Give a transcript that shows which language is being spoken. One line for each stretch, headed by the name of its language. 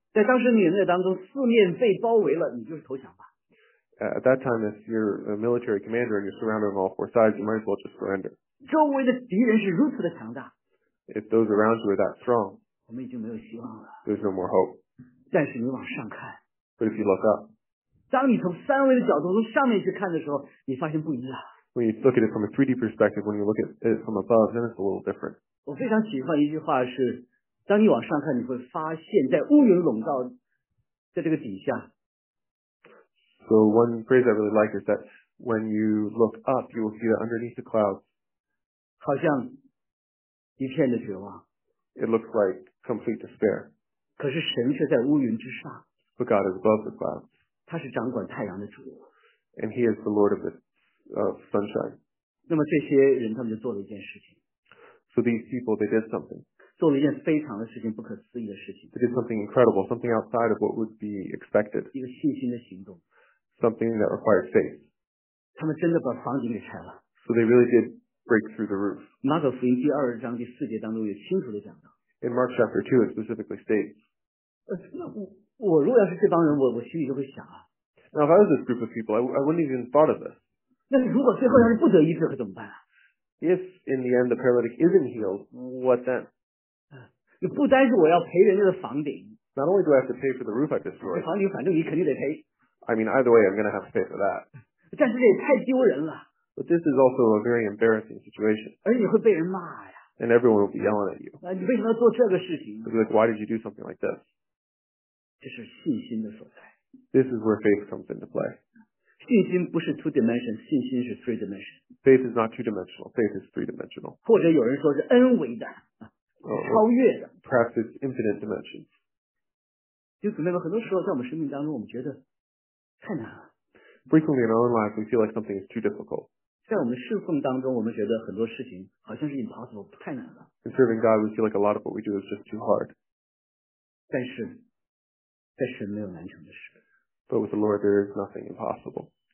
Chinese: 在当时年代当中，四面被包围了，你就是投降吧。
English: At that time, if you're a military commander and you're surrounded on all four sides, you might as well just surrender.
Chinese: 周围的敌人是如此的强大。
English: If those around you are that strong,
Chinese: 我们已经没有希望了。
English: There's no more hope.
Chinese: 但是你往上看。
English: But if you look up,
Chinese: 当你从三维的角度从上面去看的时候，你发现不一样。
English: When you look at it from a 3D perspective, when you look at it from above, then it's a little different.
Chinese: 我非常喜欢一句话是当你往上看，你会发现在乌云笼罩在这个底下。
English: So one phrase I really like is that when you look up, you will see that underneath the clouds,
Chinese: 好像一片的绝望。
English: It looks like complete despair.
Chinese: 可是神却在乌云之上。
English: But God is above the clouds.
Chinese: 他是掌管太阳的主。
English: And He is the Lord of the sunshine.
Chinese: 那么这些人他们就做了一件事情。
English: So these people, they did something.
Chinese: 做了一件非常的事情，不可思议的事情。
English: They did something incredible, something outside of what would be expected.
Chinese: 一个信心的行动。
English: Something that required faith.
Chinese: 他们真的把房顶给拆了。
English: So they really did break through the roof.
Chinese: 马可福音第二章第四节当中也清楚地讲到。
English: In Mark chapter 2, it specifically states.
Chinese: 我如果要是这帮人，我心里就会想啊。
English: Now if I was this group of people, I wouldn't even thought of this.
Chinese: 那如果最后要是不得医治，可怎么办啊？
English: If in the end the paralytic isn't healed, what then?
Chinese: 不单是我要赔人家的房顶。
English: Not only do I have to pay for the roof I destroyed.
Chinese: 房顶反正你肯定得赔。
English: I mean, either way, I'm going to have to pay for that.
Chinese: 但是这也太丢人了。
English: But this is also a very embarrassing situation.
Chinese: 而你会被人骂呀。
English: And everyone will be yelling at you.
Chinese: 你为什么要做这个事情？
English: Because like, why did you do something like this?
Chinese: 这是信心的所在。
English: This is where faith comes into play.
Chinese: 信心不是
English: two dimension,
Chinese: 信心是
English: three dimension. Faith is not two dimensional, faith is three dimensional.
Chinese: 或者有人说是 n 维的，超越的。
English: Perhaps it's infinite dimensions.
Chinese: 就姊妹们，很多时候在我们生命当中，我们觉得太难了。
English: Frequently in our own lives, we feel like something is too difficult.
Chinese: 在我们侍奉当中，我们觉得很多事情好像是 impossible, 太难了。
English: In serving God, we feel like a lot of what we do is just too hard.
Chinese: 但是，在神没有难成的事。
English: But with the Lord, there is nothing impossible.